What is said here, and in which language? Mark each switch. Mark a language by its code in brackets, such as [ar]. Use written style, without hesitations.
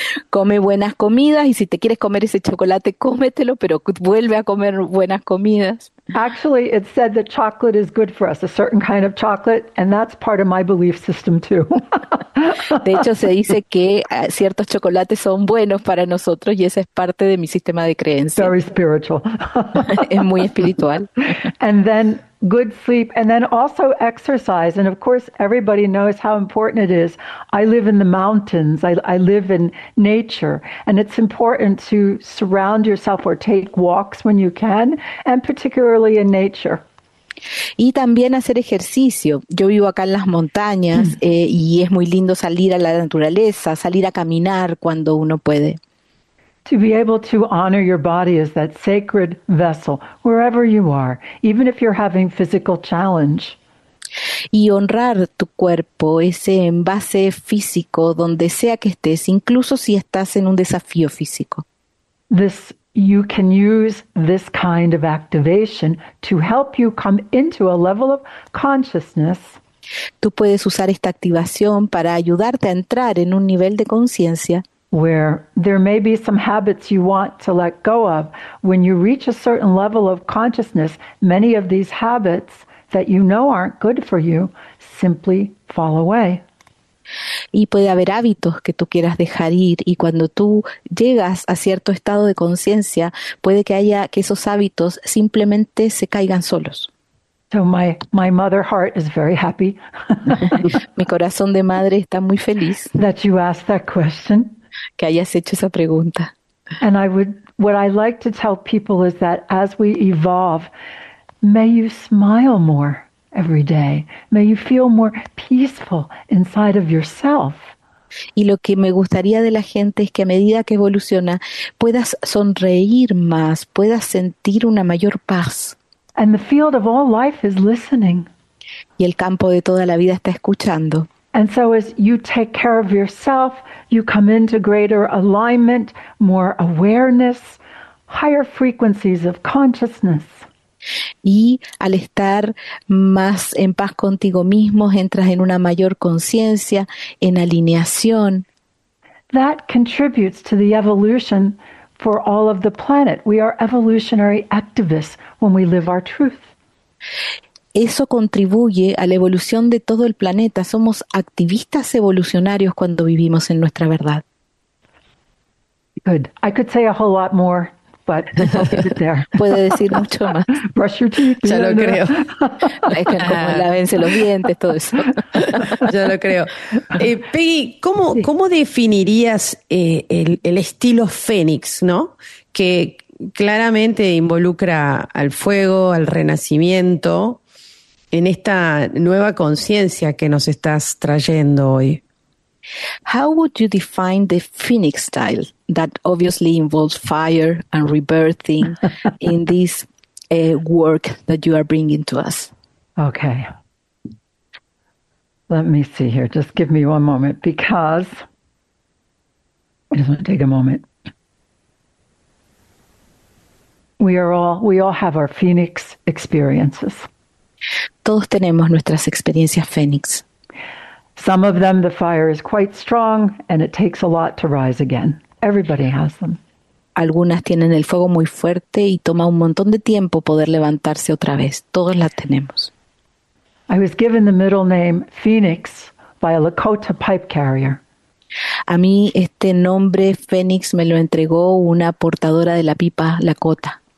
[es] Come buenas comidas. Y si te quieres comer ese chocolate, cómetelo, pero vuelve a comer buenas comidas. [en] Actually, it said that chocolate is good for us, a certain kind of chocolate, and that's part of my belief system too. [es] De hecho, se dice que ciertos chocolates son buenos para nosotros y esa es parte de mi sistema de creencia. [en] Very spiritual. [es] Es muy espiritual. [en] And then good sleep, and then also exercise. And of course, everybody knows how important it is. I live in the mountains. I live in nature. And it's important to surround yourself or take walks when you can, and particularly in nature. [es] Y también hacer ejercicio. Yo vivo acá en las montañas, y es muy lindo salir a la naturaleza, salir a caminar cuando uno puede. [en] To be able to honor your body as that sacred vessel, wherever you are, even if you're having physical challenge. [es] Y honrar tu cuerpo, ese envase físico, donde sea que estés, incluso si estás en un desafío físico. [en] This, you can use this kind of activation to help you come into a level of consciousness. [es] Tú puedes usar esta activación para ayudarte a entrar en un nivel de conciencia. [en] Where there may be some habits you want to let go of. When you reach a certain level of consciousness, many of these habits that you know aren't good for you simply fall away. [es] Y puede haber hábitos que tú quieras dejar ir, y cuando tú llegas a cierto estado de conciencia, puede que haya que esos hábitos simplemente se caigan solos. [en] So my mother heart is very happy. [es] Mi corazón de madre está muy feliz. [en] That you asked that question. [es] Que hayas hecho esa pregunta. [en] And what I like to tell people is that as we evolve, may you smile more every day. May you feel more peaceful inside of yourself. [es] Y lo que me gustaría de la gente es que a medida que evoluciona, puedas sonreír más, puedas sentir una mayor paz. [en] And the field of all life is listening. [es] Y el campo de toda la vida está escuchando. [en] And so as you take care of yourself, you come into greater alignment, more awareness, higher frequencies of consciousness. [es] Y al estar más en paz contigo mismo, entras en una mayor conciencia, en alineación. [en] That contributes to the evolution for all of the planet. We are evolutionary activists when we live our truth. [es] Eso contribuye a la evolución de todo el planeta. Somos activistas evolucionarios cuando vivimos en nuestra verdad. [en] Good. I could say a whole lot more, but I'll leave it there. [es] Puede decir mucho más. [en] Brush your teeth. [es] Ya lo creo. Es que como lávense los dientes, todo eso. Ya lo creo. Peggy, ¿cómo definirías el estilo Fénix, ¿no? Que claramente involucra al fuego, al renacimiento, en esta nueva conciencia que nos estás trayendo hoy. [en] How would you define the Phoenix style that obviously involves fire and rebirthing in this work that you are bringing to us? Okay. Let me see here. Just give me one moment because I just want to take a moment. We all have our Phoenix experiences. [es] Todos tenemos nuestras experiencias Fénix. [en] Some of them the fire is quite strong and it takes a lot to rise again. Everybody has them. [es] Algunas tienen el fuego muy fuerte y toma un montón de tiempo poder levantarse otra vez. Todos las tenemos. [en] I was given the middle name Phoenix by a Lakota pipe carrier. [es] A mí este nombre Fénix me lo entregó una portadora de la pipa Lakota.